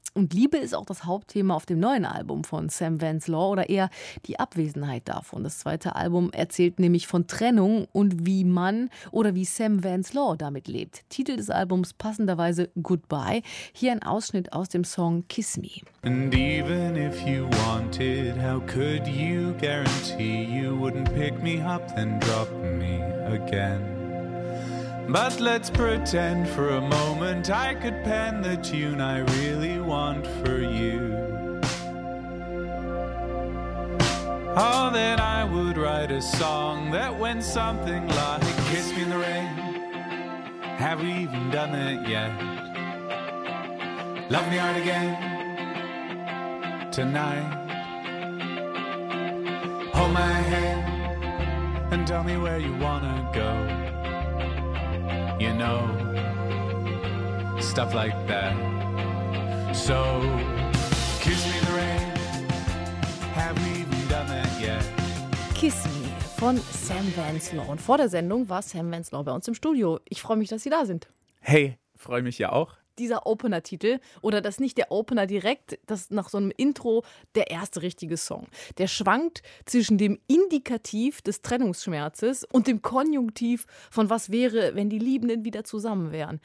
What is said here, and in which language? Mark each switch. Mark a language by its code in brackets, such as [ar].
[de] Und Liebe ist auch das Hauptthema auf dem neuen Album von Sam Vance-Law oder eher die Abwesenheit davon. Das zweite Album erzählt nämlich von Trennung und wie man oder wie Sam Vance-Law damit lebt. Titel des Albums passenderweise Goodbye. Hier ein Ausschnitt aus dem Song Kiss Me. [en] And even if you wanted, how could you guarantee you wouldn't pick me up and drop me again? But let's pretend for a moment I could pen the tune I really want for you. Oh, then I would write a song that went something like Kiss me in the rain. Have we even done it yet? Love me hard again tonight. Hold my hand and tell me where you wanna go. You know, stuff like that. So, kiss me in the rain. Have we even done that yet? [de] Kiss me von Sam Vance-Law. Und vor der Sendung war Sam Vance-Law bei uns im Studio. Ich freue mich, dass Sie da sind. Hey, freue mich ja auch. Dieser Opener-Titel, oder das nicht der Opener direkt, das nach so einem Intro der erste richtige Song. Der schwankt zwischen dem Indikativ des Trennungsschmerzes und dem Konjunktiv von was wäre, wenn die Liebenden wieder zusammen wären.